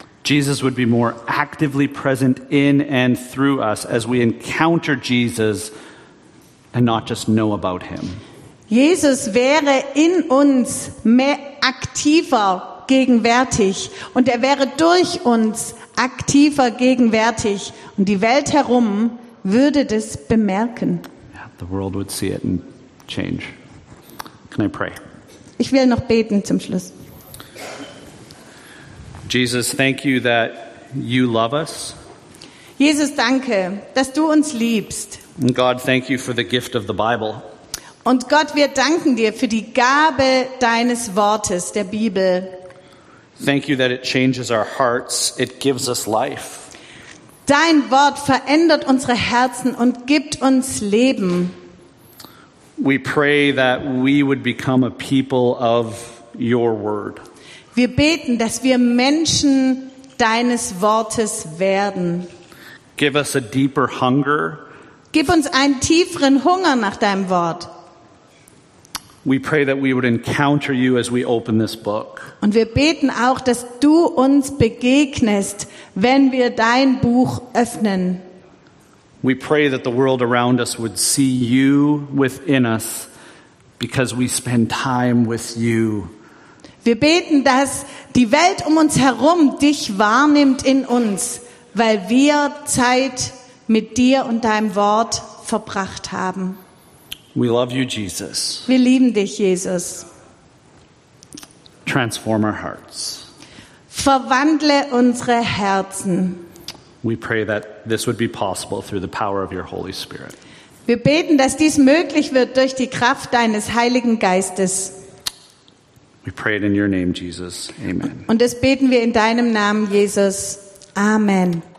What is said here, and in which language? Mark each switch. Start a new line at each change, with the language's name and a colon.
English: Jesus would be more actively present in and through us as we encounter Jesus and not just know about him.
German: Jesus wäre in uns mehr aktiver gegenwärtig und er wäre durch uns aktiver gegenwärtig und die Welt herum würde das bemerken.
English: The world would see it and change. Can I pray?
German: Ich will noch beten zum Schluss.
English: Jesus, thank you that you love us.
German: Jesus, danke, dass du uns liebst.
English: And God, thank you for the gift of the Bible.
German: Und Gott, wir danken dir für die Gabe deines Wortes, der Bibel.
English: Thank you that it changes our hearts. It gives us life.
German: Dein Wort verändert unsere Herzen und gibt uns Leben.
English: We pray that we would become a people of your word.
German: Wir beten, dass wir Menschen deines Wortes werden.
English: Give us a deeper hunger.
German: Gib uns einen tieferen Hunger nach deinem Wort.
English: We pray that we would encounter you as we open this book.
German: Und wir beten auch, dass du uns begegnest, wenn wir dein Buch öffnen.
English: We pray that the world around us would see you within us because we spend time with you.
German: Wir beten, dass die Welt um uns herum dich wahrnimmt in uns, weil wir Zeit mit dir und deinem Wort verbracht haben.
English: We love you, Jesus.
German: Wir lieben dich, Jesus.
English: Transform our hearts.
German: Verwandle unsere Herzen.
English: We pray that this would be possible through the power of your Holy Spirit.
German: Wir beten, dass dies möglich wird durch die Kraft deines Heiligen Geistes.
English: We pray it in your name, Jesus. Amen.
German: Und das beten wir in deinem Namen, Jesus. Amen.